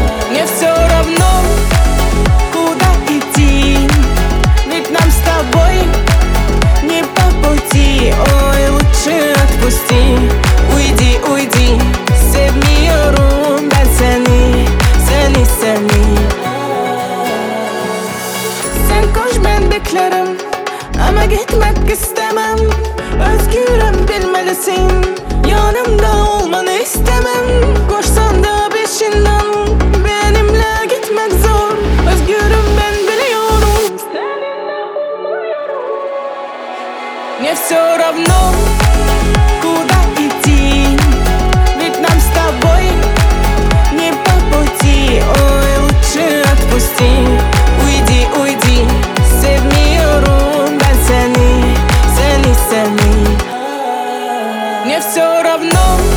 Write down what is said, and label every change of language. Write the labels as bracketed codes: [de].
[ru] Мне все равно, куда идти, ведь нам с тобой не по пути. Ой, лучше отпусти, уйди, уйди. [en] Save me a room, [ru] да цени, цени, цени. [tr] Sen koş ben beklerim, ama gitmek istemem. Özgürüm bilmelisin, yanımda olmanı istemem. Koşsan da peşinden, benimle gitmek zor. Özgürüm ben biliyorum, seninle olmuyorum. [ru] Мне все равно, куда идти, ведь нам с тобой не по пути. Ой, лучше отпусти, уйди, уйди. [en] Save me a room, [ru] да цени, цени, цени. Мне все равно.